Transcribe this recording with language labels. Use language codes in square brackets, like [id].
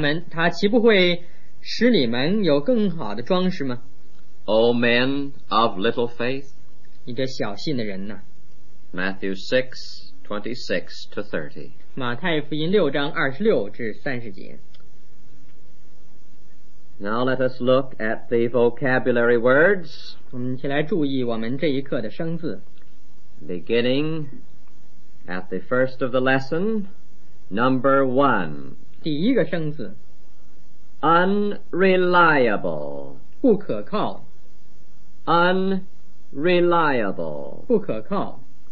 [zh] 他岂不会使你们有更好的装饰吗? [en] O men of little faith, [zh] 你这小信的人呢? [en] Matthew 6:26-30, [zh] 马太福音六章二十六至三十节。 [en] Now let us look at the vocabulary words. [zh] 我们起来注意我们这一课的生字。 [en] Beginning at the first of the lesson, number one. [zh] 第一个生字。 [en] Unreliable. [zh] 不可靠。 [en] Unreliable. [zh] 不可靠。